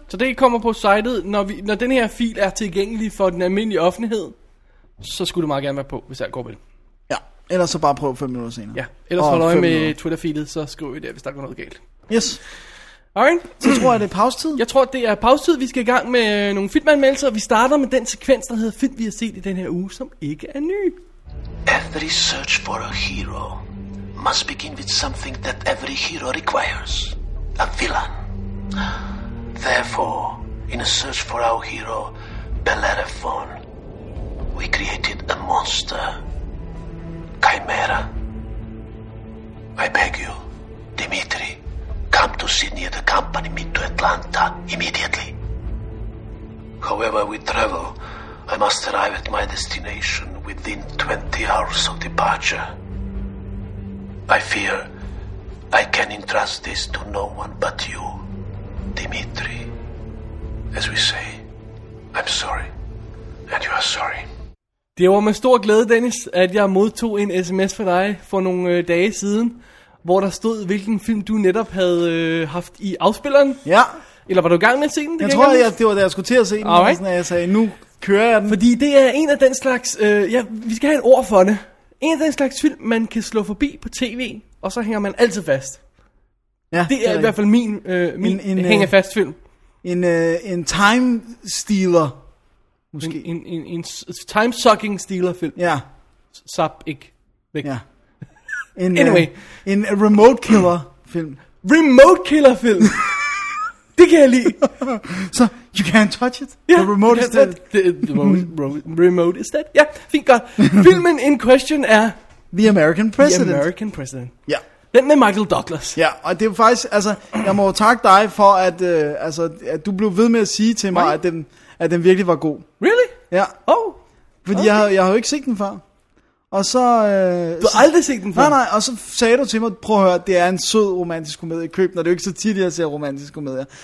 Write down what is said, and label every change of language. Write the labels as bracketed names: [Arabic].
[Danish] Så det kommer på sitet, når den her fil er tilgængelig for den almindelige offentlighed, så skulle du meget gerne være på, hvis alt går vel. Ja, ellers så bare prøv 5 minutter senere. Ja, ellers hold øje med Twitter-feedet, så skriv vi der, hvis der går noget galt. [English] Yes. Alright. [Danish] Så tror jeg, det er pausetid. Jeg tror, det er pausetid. Vi skal i gang med nogle filmanmeldelser. Vi starter med den sekvens, der hedder film, vi har set i den her uge, som ikke er ny. [English] Every search for a hero must begin with something that every hero requires. A villain. Therefore, in a search for our hero, Bellerophon, we created a monster. Chimera. I beg you, Dimitri, come to Sydney and accompany me to Atlanta immediately. However we travel, I must arrive at my destination within 20 hours of departure. I fear I can entrust this to no one but you, Dimitri. As we say, I'm sorry, and you are sorry. [Danish] Det var med stor glæde, Dennis, at jeg modtog en sms fra dig for nogle dage siden, hvor der stod, hvilken film du netop havde haft i afspilleren. Ja. Eller var du i gang med at se den? Jeg tror, det var da jeg skulle til at se den, okay. Sådan, at jeg sagde, nu kører jeg den. Fordi det er en af den slags, vi skal have et ord for det. En af den slags film, man kan slå forbi på tv, og så hænger man altid fast. Ja, det er i hvert fald min hænger fast film. En [English] time stealer, [Danish] måske. En [English] time sucking stealer [Danish] film. Ja. Sap ikke væk. Ja. [English] Anyway. [Danish] En [English] remote killer [Danish] film. [English] Remote killer [Danish] film. Det kan jeg lide. Så, [English] you can't touch it? Yeah, the remote is dead. The remote is dead? Ja, yeah, [Danish] fint godt. Filmen [English] in question er... The American President. The American President. [Danish] Ja. Yeah. Den med Michael Douglas. Ja, yeah, og det er faktisk... Altså, jeg må takke dig for, at du blev ved med at sige til mig, at den virkelig var god. [English] Really? [Danish] Ja. Oh. Fordi okay. jeg har jo ikke set den før. Og så... Du har så, aldrig set den før? Nej, nej, og så sagde du til mig, prøv at høre, det er en sød romantisk komedie, køb den, og det er jo ikke så tit, jeg ser romantisk komedie.